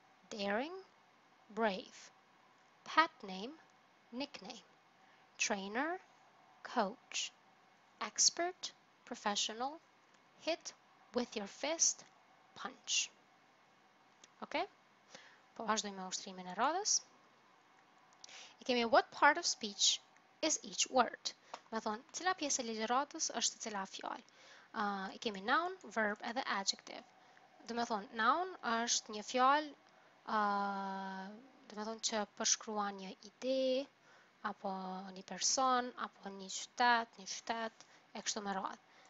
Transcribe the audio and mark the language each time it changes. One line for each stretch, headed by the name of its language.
English: Daring, brave. Pet name, nickname. Trainer, coach. Expert, professional. Hit with your fist, punch. Okay?
Albanian: Po vazhdojmë me ushtrimin e rrodhës. I kemi
English: what part of speech is each word?
Albanian: Me thonë, cila pjesë e ligjëratës është cila fjallë? I kemi noun, verb, edhe adjective. Dhe me thonë, noun është një fjallë, dhe me thonë që përshkruan një ide, apo një person, apo një qytet, e kështu me radhë.